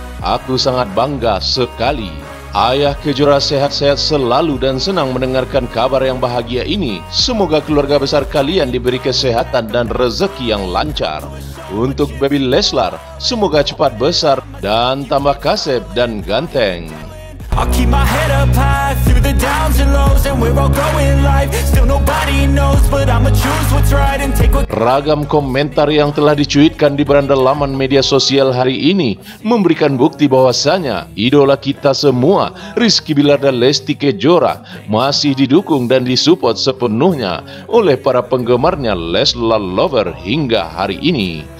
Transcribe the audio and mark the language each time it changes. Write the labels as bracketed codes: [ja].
[id] Aku sangat bangga sekali. Ayah Kejora sehat-sehat selalu dan senang mendengarkan kabar yang bahagia ini. Semoga keluarga besar kalian diberi kesehatan dan rezeki yang lancar. Untuk Baby Leslar, semoga cepat besar dan tambah kasep dan ganteng. [en] I'll keep my head up high through the downs and lows, and we're all going live. Still nobody knows, but I'ma choose what's right and take what. [id] Ragam komentar yang telah dicuitkan di beranda laman media sosial hari ini memberikan bukti bahwasanya idola kita semua, Rizky Billar dan Lesti Kejora, masih didukung dan disupport sepenuhnya oleh para penggemarnya Leslar Lover hingga hari ini.